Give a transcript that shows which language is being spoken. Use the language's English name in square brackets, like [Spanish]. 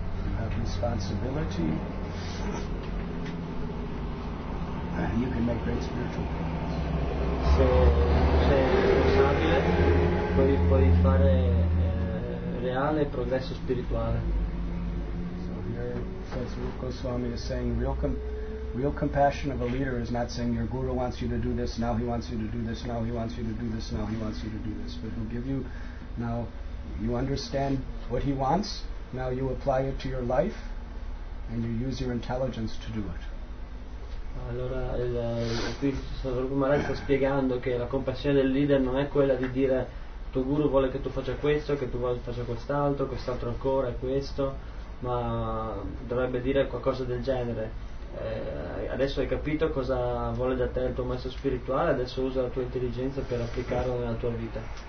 [English] You have responsibility. You can make great spiritual. [Italian] Se sei responsabile, puoi fare reale progresso spirituale. [English] So here says Rupa Goswami is saying real compassion of a leader is not saying your guru wants you to do this, now he wants you to do this, now he wants you to do this, now he wants you to do this. But he'll give you, now you understand what he wants, now you apply it to your life, and you use your intelligence to do it. [Italian] Allora, qui Sarvabhumara sta spiegando che la compassione del leader non è quella di dire tuo guru vuole che tu faccia questo, che tu faccia quest'altro ancora, questo, ma dovrebbe dire qualcosa del genere. Adesso hai capito cosa vuole da te il tuo maestro spirituale, adesso usa la tua intelligenza per applicarlo nella tua vita.